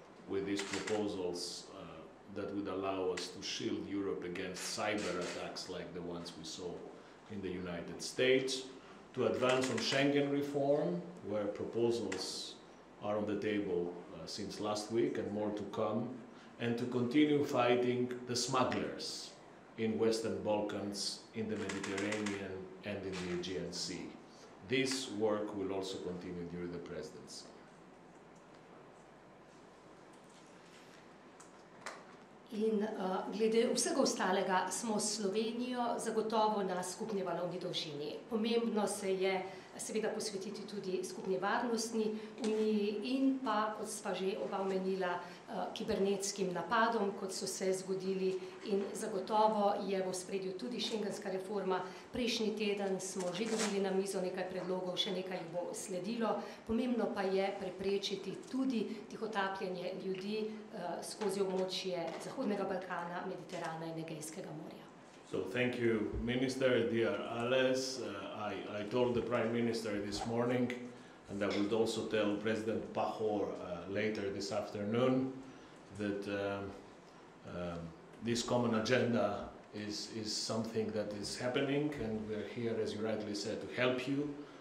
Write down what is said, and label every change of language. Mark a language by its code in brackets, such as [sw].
[en] with these proposals that would allow us to shield Europe against cyber attacks like the ones we saw in the United States, to advance on Schengen reform, where proposals are on the table since last week and more to come, and to continue fighting the smugglers in Western Balkans, in the Mediterranean, and in the Aegean Sea. This work will also continue during the presidency. [sl] In glede vsega ostalega smo s Slovenijo zagotovo na skupni valovni dolžini. Pomembno se je seveda posvetiti tudi skupni varnostni uniji in pa, kot sva že oba omenila, kibernetskim napadom, kot so se zgodili in zagotovo je v ospredju tudi šengenska reforma. Prejšnji teden smo že dobili na mizo nekaj predlogov, še nekaj bo sledilo. Pomembno pa je preprečiti tudi tihotapljenje ljudi skozi območje Zahodnega Balkana, Mediterana in Egejskega morja. [en] So thank you, Minister, dear Aleš. I told the Prime Minister this morning, and I would also tell President Pahor later this afternoon, that this common agenda is something that is happening, and we're here, as you rightly said, to help you.